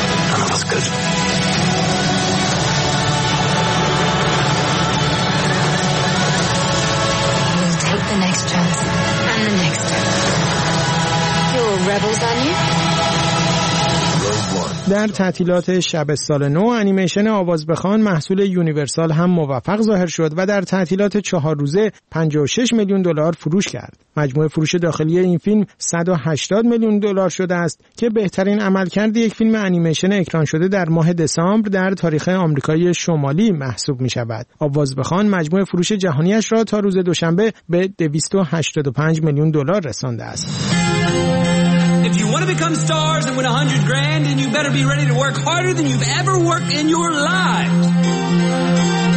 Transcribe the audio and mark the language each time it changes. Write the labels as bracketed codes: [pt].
[en] None of us could. We'll take the next chance and the next step. You're all rebels, aren't you? [fa] در تعطیلات شب سال نو، انیمیشن آواز بخوان محصول یونیورسال هم موفق ظاهر شد و در تعطیلات 4 روزه 56 میلیون دلار فروش کرد. مجموع فروش داخلی این فیلم 180 میلیون دلار شده است که بهترین عملکرد یک فیلم انیمیشن اکران شده در ماه دسامبر در تاریخ آمریکای شمالی محسوب می شود. آواز بخوان مجموع فروش جهانیش را تا روز دوشنبه به 285 میلیون دلار رسانده است. [en] If you want to become stars and win $100,000, then you better be ready to work harder than you've ever worked in your lives.